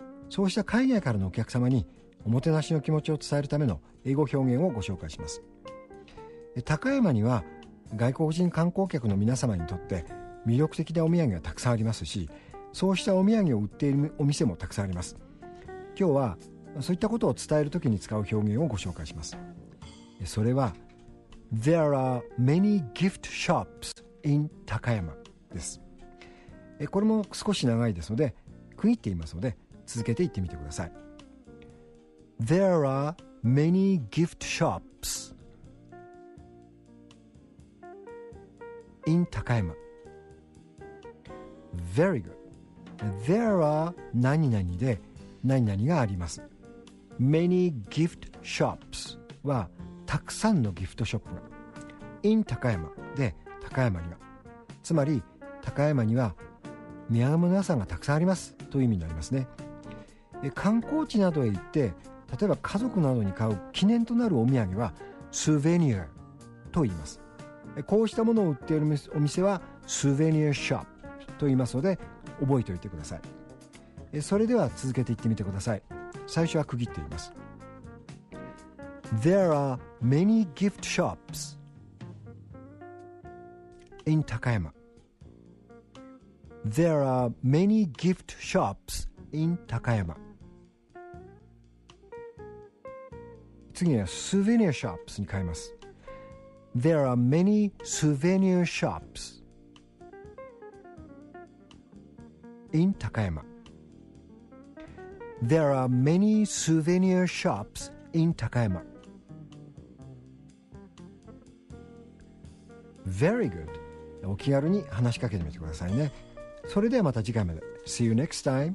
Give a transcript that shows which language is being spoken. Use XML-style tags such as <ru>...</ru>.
<ja>そうした海外からのお客様におもてなしの気持ちを伝えるための英語表現をご紹介します。高山には外国人観光客の皆様にとって魅力的なお土産がたくさんありますし、そうしたお土産を売っているお店もたくさんあります。今日はそういったことを伝えるときに使う表現をご紹介します。それは</ja> <en>There are many gift shops in 高山</en> <ja>です。これも少し長いですので区切っていますので続けて言ってみてください。</ja> <en>There are many gift shops in 高山。 Very good. There are</en> <ja>何々で何々があります。</ja> <en>Many gift shops</en> <ja>はたくさんのギフトショップが</ja> <en>in</en> <ja>高山で高山には、つまり高山には土産物屋さんがたくさんありますという意味になりますね。観光地などへ行って例えば家族などに買う記念となるお土産はスーベニアと言います。こうしたものを売っているお店はスーベニアショップと言いますので覚えておいてください。それでは続けて言ってみてください。最初は区切っています。</ja> <en>There are many gift shops in 高山。 There are many gift shops in 高山。</en> <ja>次は</ja> <en>Souvenir shops</en> <ja>に変えます。</ja> <en>There are many souvenir shops in 高山。 There are many souvenir shops in 高山。 Very good.</en> <ja>お気軽に話しかけてみてくださいね。それではまた次回まで。</ja> <en>See you next time.</en>